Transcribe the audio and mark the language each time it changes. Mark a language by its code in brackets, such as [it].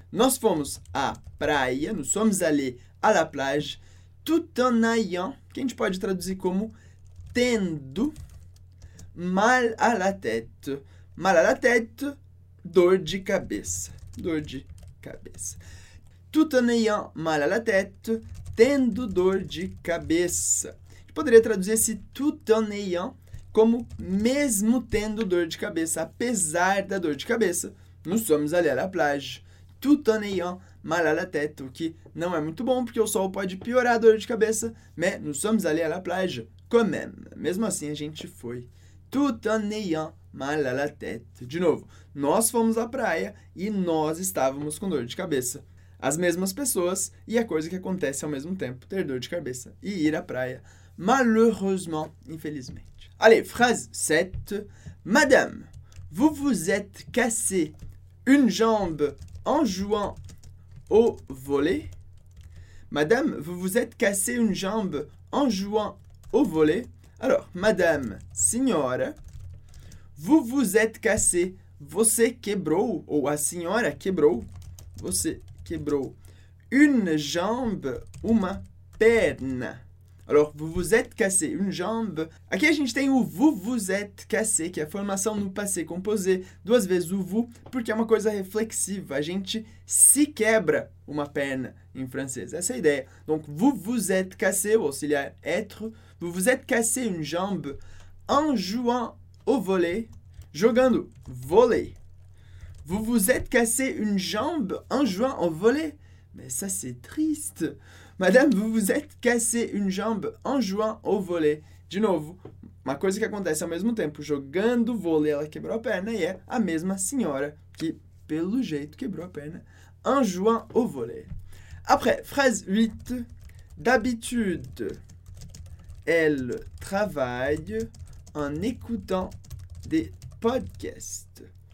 [pt] Nós fomos à praia. [fr] Nous sommes allés à la plage tout en ayant, [pt] que a gente pode traduzir como tendo, [fr] mal à la tête. Mal à la tête, [pt] dor de cabeça. Dor de cabeça. [fr] Tout en ayant mal à la tête, [pt] tendo dor de cabeça. Poderia traduzir esse tout en ayant como mesmo tendo dor de cabeça, apesar da dor de cabeça. [fr] Nous sommes allés à la plage tout en ayant mal à la tête, [pt] o que não é muito bom, porque o sol pode piorar a dor de cabeça, [fr] mais nous sommes allés à la plage quand même. [pt] Mesmo assim, a gente foi. [fr] Tout en ayant mal à la tête. [pt] De novo, nós fomos à praia e nós estávamos com dor de cabeça. As mesmas pessoas e a coisa que acontece ao mesmo tempo, ter dor de cabeça e ir à praia. [fr] Malheureusement, [pt] infelizmente. [fr] Allez, phrase 7. Madame, vous vous êtes cassé une jambe en jouant au volley. Madame, vous vous êtes cassé une jambe en jouant au volley. Alors, madame, senhora, vous vous êtes cassé. [pt] Você quebrou, ou a senhora quebrou. Você quebrou [fr] une jambe, [pt] uma perna. [fr] Alors, vous vous êtes cassé une jambe. [pt] Aqui a gente tem o [fr] vous vous êtes cassé, [pt] que é a formação no passé composé, duas vezes o vous, porque é uma coisa reflexiva. A gente se quebra uma perna em francês. Essa é a ideia. [fr] Donc, vous vous êtes cassé, [pt] o auxiliar être. [fr] Vous vous êtes cassé une jambe en jouant au volley. [pt] Jogando volley. [fr] Vous vous êtes cassé une jambe en jouant au volley. Mais ça, c'est triste. Madame, vous vous êtes cassé une jambe en jouant au volley. [pt] De novo, uma coisa que acontece ao mesmo tempo, jogando vôlei, ela quebrou a perna, e é a mesma senhora que, pelo jeito, quebrou a perna [fr] en jouant au volley. Après, phrase 8. D'habitude, elle travaille en écoutant des podcasts.